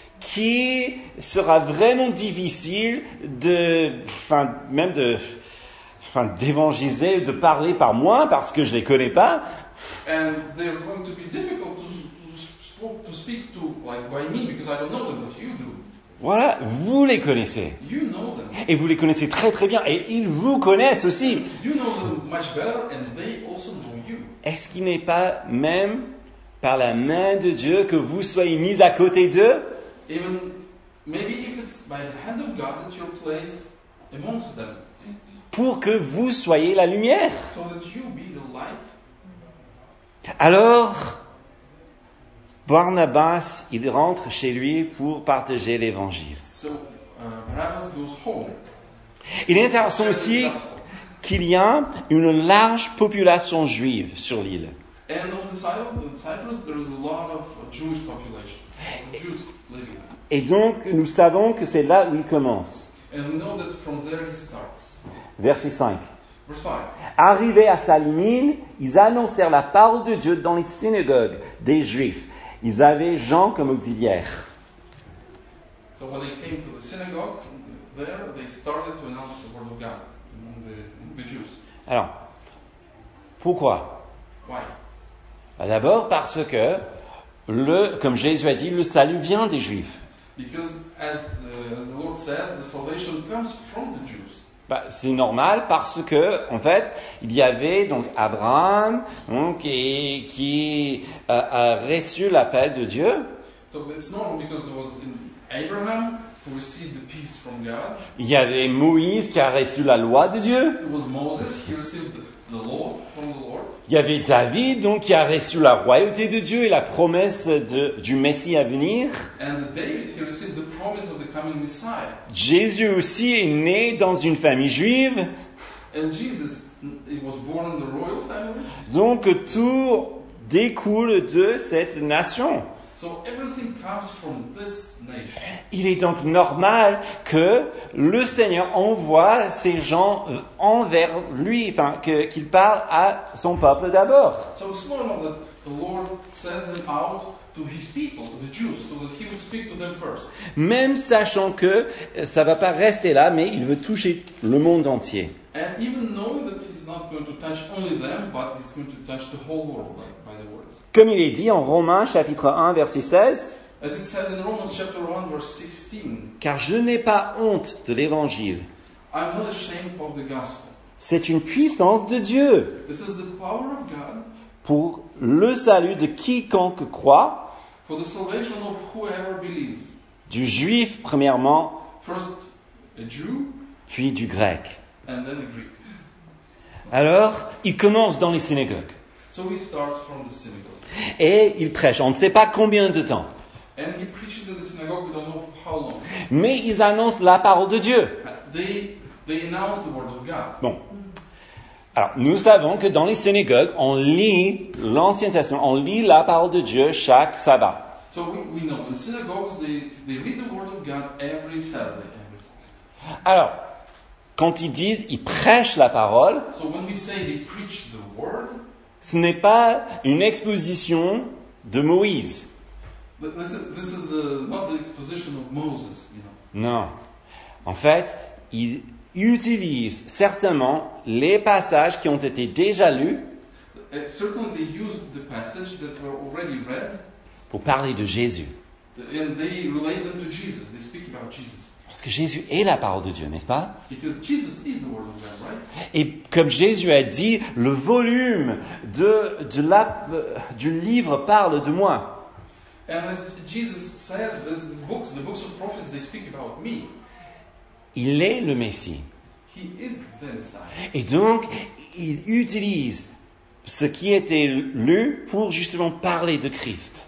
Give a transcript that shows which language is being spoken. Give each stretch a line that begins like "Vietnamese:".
French: Qui sera vraiment difficile de, enfin, même de, enfin, d'évangéliser, de parler par moi parce que je ne les connais pas.
English: And they're going to be difficult to speak to, like, by me, because I don't know them, but you do.
French: Voilà, vous les connaissez.
English: You know them.
French: Et vous les connaissez très très bien, et ils vous connaissent aussi.
English: You know them much better, and they also know you.
French: Est-ce qu'il n'est pas même, par la main de Dieu, que vous soyez mis à côté d'eux?
English: Even, maybe if it's by the hand of God that you're placed amongst them.
French: Pour que vous soyez la lumière.
English: So that you be the light.
French: Alors, Barnabas, il rentre chez lui pour partager l'évangile.
English: So, Barnabas goes home.
French: Il est intéressant aussi qu'il y a une large population juive sur l'île.
English: And on the side of Cyprus, there is a lot of Jewish population. Jews living.
French: Et donc, nous savons que c'est là où il commence.
English: And we know that from there he starts.
French: Verset 5.
English: Verse 5.
French: Arrivés à Salamine, ils annoncèrent la parole de Dieu dans les synagogues des Juifs. Ils avaient Jean comme auxiliaire.
English: So when they came to the synagogue, there they started to announce the word of God among the Jews.
French: Alors, pourquoi?
English: Why?
French: D'abord parce que, comme Jésus a dit, le salut vient des Juifs.
English: Because as the Lord said, the salvation comes from the Jews.
French: Bah, c'est normal parce que, en fait, il y avait donc Abraham donc, et qui a reçu l'appel de Dieu.
English: So it's normal because there was Abraham who received the peace from God.
French: Il y avait Moïse qui a reçu la loi de Dieu.
English: It was Moses who received the law from the Lord.
French: Il y avait David donc qui a reçu la royauté de Dieu et la promesse du Messie à venir.
English: And David, he received the promise of the coming Messiah.
French: Jésus aussi est né dans une famille juive.
English: And Jesus, he was born in the royal family.
French: Donc tout découle de cette nation.
English: So everything comes from this nation.
French: Il est donc normal que le Seigneur envoie ces gens envers lui, enfin qu'il parle à son peuple d'abord.
English: So it's normal that the Lord sends them out to his people, the Jews, so that he would speak to them first.
French: Même sachant que ça va pas rester là, mais il veut toucher le monde entier.
English: And even knowing that he's not going to touch only them, but he's going to touch the whole world by the words.
French: Comme il est dit en Romains chapitre 1 verset 16.
English: As it says in Romans chapter 1 verse 16.
French: Car je n'ai pas honte de l'évangile.
English: I'm not ashamed of the gospel.
French: C'est une puissance de Dieu.
English: This is the power of God.
French: pour le salut de quiconque croit.
English: For the salvation of whoever believes.
French: Du juif, premièrement.
English: First, a Jew.
French: Puis du grec.
English: And then a Greek.
French: Alors, il commence dans les synagogues.
English: So he starts from the synagogue.
French: Et il prêche. On ne sait pas combien de temps.
English: And he preaches in the synagogue. We don't know how long.
French: Mais ils annoncent la parole de Dieu.
English: They announce the word of God.
French: Bon. Alors, nous savons que dans les synagogues, on lit l'Ancien Testament, on lit la parole de Dieu chaque sabbat.
English: So we know in synagogues they read the word of God every Saturday.
French: Alors, quand ils disent, ils prêchent la parole.
English: So when we say they preach the word,
French: ce n'est pas une exposition de Moïse.
English: This is not the exposition of Moses, you know.
French: Non. En fait, ils utilisent certainement les passages qui ont été déjà lus.
English: Certainly they use the passage that were already read.
French: Pour parler de Jésus.
English: And they relate them to Jesus. They speak about Jesus.
French: Parce que Jésus est la parole de Dieu, n'est-ce pas?
English: Because Jesus is the word of God, right?
French: Et comme Jésus a dit, le volume du livre parle de moi.
English: And as Jesus says, the books of prophets, they speak about me.
French: Il est le Messie.
English: He is the Messiah.
French: Et donc, il utilise ce qui était lu pour justement parler de Christ.